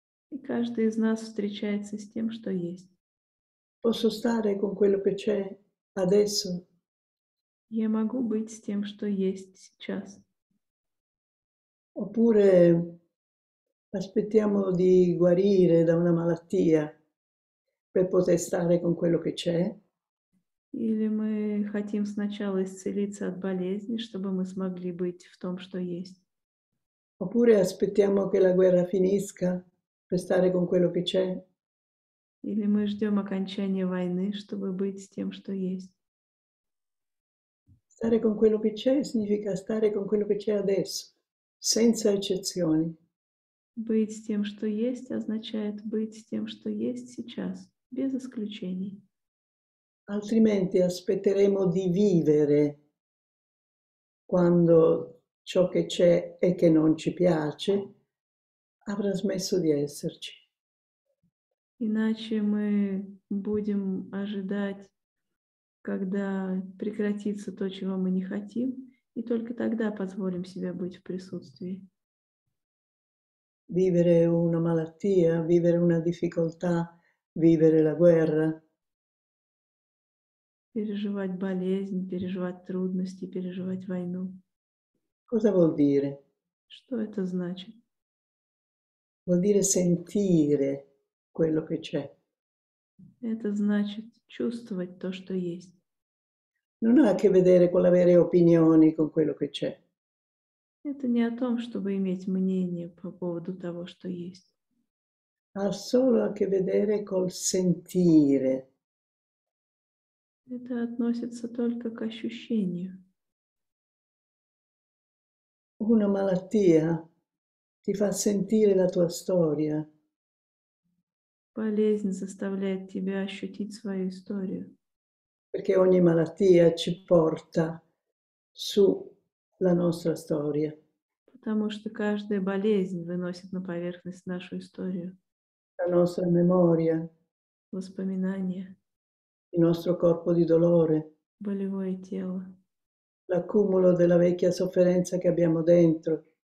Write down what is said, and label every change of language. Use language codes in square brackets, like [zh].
[ru] И каждый из нас встречается с тем, что есть. [it] Posso stare con quello che c'è adesso? [ru] Я могу быть с тем, что есть сейчас. [it] Oppure aspettiamo di guarire da una malattia per poter stare con quello che c'è? [ru] Или мы хотим сначала исцелиться от болезни, чтобы мы смогли быть в том, что есть. [it] Oppure aspettiamo che la guerra finisca per stare con quello che c'è? [ru] Или мы ждем окончания войны, чтобы быть с тем, что есть. [it] Stare con quello che c'è significa stare con quello che c'è adesso, senza eccezioni. [ru] Быть с тем, что есть, означает быть с тем, что есть сейчас, без исключений. [it] Altrimenti aspetteremo di vivere quando ciò che c'è e che non ci piace avrà smesso di esserci. [ru] Иначе мы будем ожидать, когда прекратится то, чего мы не хотим, и только тогда позволим себе быть в присутствии. [it] Vivere una malattia, vivere una difficoltà, vivere la guerra. [ru] Переживать болезнь, переживать трудности, переживать войну. [it] Cosa vuol dire? [ru] Что это значит? [it] Vuol dire sentire quello che c'è. [ru] Это значит чувствовать то, что есть. [it] Non ha a che vedere con avere opinioni con quello che c'è. [ru] Это не о том, чтобы иметь мнение по поводу того, что есть. [it] Ha solo a che vedere col sentire. [ru] Это относится только к ощущению. [it] Una malattia ti fa sentire la tua storia. [ru] Болезнь заставляет тебя ощутить свою историю. [it] Perché ogni malattia ci porta sulla nostra storia. [ru] Потому что каждая болезнь выносит на поверхность нашу историю. [it] La nostra memoria, [ru] Воспоминания. [it] il nostro corpo di dolore, [ru] Болевое тело. [it] l'accumulo della vecchia sofferenza che abbiamo dentro.